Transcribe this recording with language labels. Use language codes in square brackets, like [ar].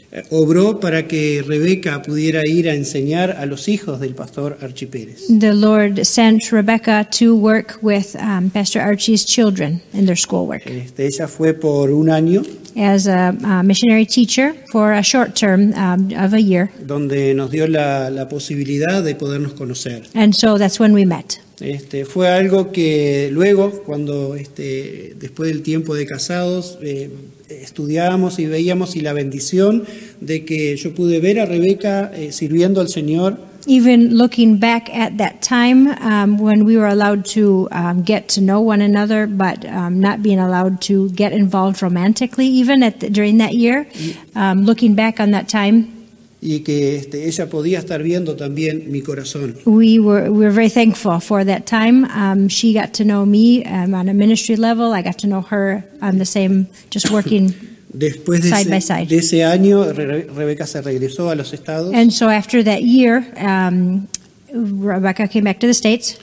[es] Obró para que Rebeca pudiera ir a enseñar a los hijos del pastor Archie Pérez. [en] The Lord sent Rebecca to work with Pastor Archie's children in their schoolwork. [es] Ella fue por un año. [en] As a missionary teacher for a short term of a year. [es] Donde nos dio la posibilidad de podernos conocer. [en] And so that's when we met. [es] Fue algo que luego, cuando después del tiempo de casados, estudiábamos y veíamos y la bendición de que yo pude ver a Rebeca sirviendo al Señor. [en] Even looking back at that time when we were allowed to get to know one another, but not being allowed to get involved romantically even during that year, looking back on that time, [es] y que ella podía estar viendo también mi corazón. [en] We were very thankful for that time. She got to know me on a ministry level. I got to know her on the same, just working [es] después de [en] side [es] ese, [en] by side. [es] De ese año, Rebeca se regresó a los Estados. [en] And so after that year, Rebecca came back to the States.